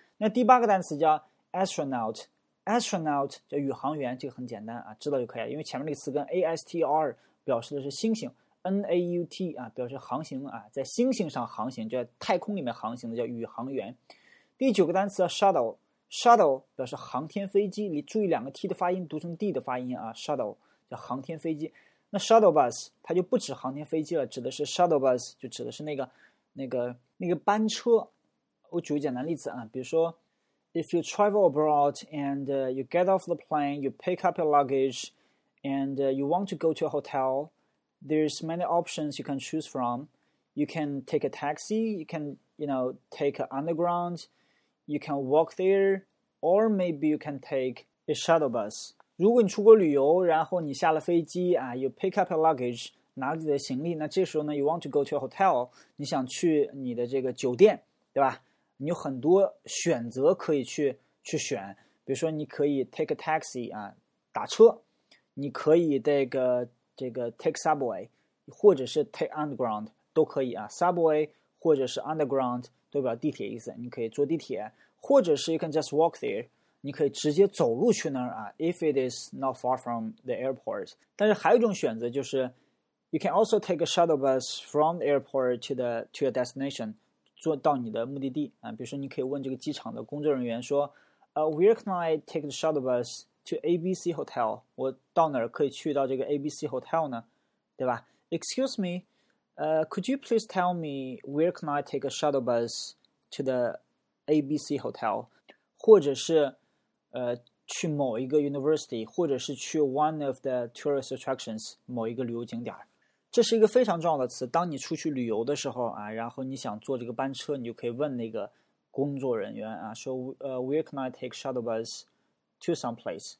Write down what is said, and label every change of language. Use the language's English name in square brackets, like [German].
[Chinese] 那第八个单词叫 astronaut， astronaut 叫宇航员，这个很简单啊，知道就可以了。因为前面那个词跟 astr 表示的是星星 ，naut 啊表示航行啊，在星星上航行，就在太空里面航行的叫宇航员。第九个单词 shuttle，shuttle 表示航天飞机，你注意两个 t 的发音，读成 d 的发音啊 ，shuttle。叫航天飞机，那 shuttle bus 它就不指航天飞机了，指的是 shuttle bus， 就指的是那个班车。我举个简单例子啊，比如说 [English] ，if you travel abroad and you get off the plane, you pick up your luggage, and you want to go to a hotel, there's many options you can choose from. You can take a taxi, you can, you know, take an underground, you can walk there, or maybe you can take a shuttle bus. [Chinese] 如果你出国旅游，然后你下了飞机啊 ， [English] you pick up your luggage， [Chinese] 拿自己的行李，那这时候呢 ， [English] you want to go to a hotel， [Chinese] 你想去你的这个酒店，对吧？你有很多选择可以去选，比如说你可以 take a taxi 啊，打车，你可以这个 take subway， 或者是 take underground 都可以啊 ，subway 或者是 underground 代表地铁意思，你可以坐地铁，或者是 [English] you can just walk there。 [Chinese] 你可以直接走路去那儿啊 [English] ，if it is not far from the airport。 [Chinese] 但是还有一种选择就是 [English] ，you can also take a shuttle bus from the airport to your destination， [Chinese] 坐到你的目的地啊。比如说，你可以问这个机场的工作人员说， [English] where can I take the shuttle bus to ABC Hotel？ [Chinese] 我到哪儿可以去到这个 ABC Hotel 呢？对吧 [English] ？Excuse me， could you please tell me where can I take a shuttle bus to the ABC Hotel？ [Chinese] 或者是去某一个 university， 或者是去 [English] one of the tourist attractions， [Chinese] 某一个旅游景点。这是一个非常重要的词。当你出去旅游的时候啊，然后你想坐这个班车，你就可以问那个工作人员啊，说 [English] where can I take shuttle bus to some place？